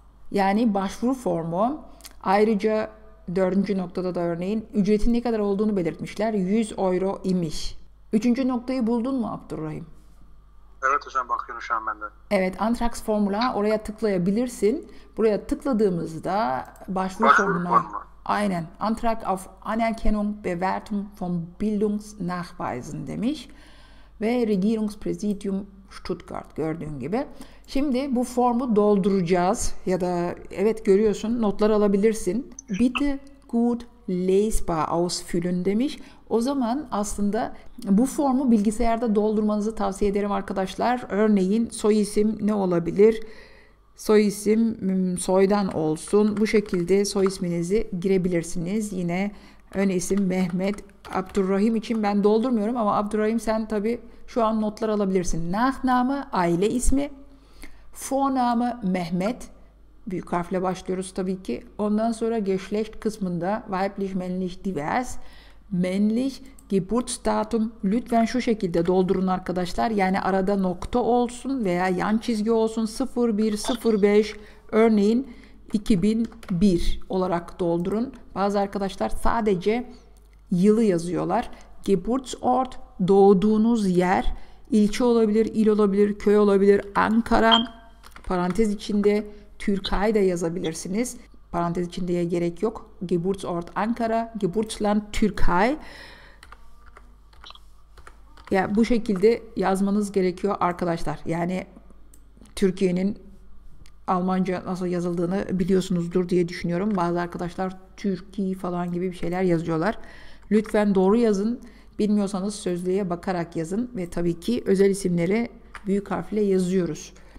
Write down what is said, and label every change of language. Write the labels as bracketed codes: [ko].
[tr] Yani başvuru formu. Ayrıca dördüncü noktada da örneğin ücretin ne kadar olduğunu belirtmişler. 100 euro imiş. Üçüncü noktayı buldun mu Abdurrahim? Evet hocam, bakıyorum şu an ben de. Evet, Antrax Formula, oraya tıklayabilirsin. Buraya tıkladığımızda başvuru Başvuru formuna, formu. aynen, [de] Antrag auf Anerkennung, Bewertung von Bildungsnachweisen [tr] demiş. Ve Regierungspräsidium Stuttgart, gördüğün gibi. Şimdi bu formu dolduracağız ya da evet görüyorsun notlar alabilirsin. [de] Bitte gut lesbar ausfüllen [tr] demiş. O zaman aslında bu formu bilgisayarda doldurmanızı tavsiye ederim arkadaşlar. Örneğin soy isim ne olabilir? Soy isim soydan olsun. Bu şekilde soy isminizi girebilirsiniz. Yine ön isim Mehmet, Abdurrahim için ben doldurmuyorum ama Abdurrahim sen tabii şu an notlar alabilirsin. Nachname aile ismi. Vorname Mehmet. Büyük harfle başlıyoruz tabii ki. Ondan sonra Geschlecht kısmında weiblich, männlich, divers. [de] Männlich, Geburtsdatum. [tr] Lütfen şu şekilde doldurun arkadaşlar. Yani arada nokta olsun veya yan çizgi olsun. 0105 örneğin 2001 olarak doldurun. Bazı arkadaşlar sadece yılı yazıyorlar. Geburtsort, doğduğunuz yer, ilçe olabilir, il olabilir, köy olabilir, Ankara, parantez içinde Türkiye'de yazabilirsiniz. Parantez içindeye gerek yok. [de] Geburtsort Ankara, Geburtsland Türkiye. [tr] Yani bu şekilde yazmanız gerekiyor arkadaşlar. Yani Türkiye'nin Almanca nasıl yazıldığını biliyorsunuzdur diye düşünüyorum. Bazı arkadaşlar Türkiye falan gibi bir şeyler yazıyorlar. Lütfen doğru yazın. Bilmiyorsanız sözlüğe bakarak yazın ve tabii ki özel isimleri büyük harfle yazıyoruz.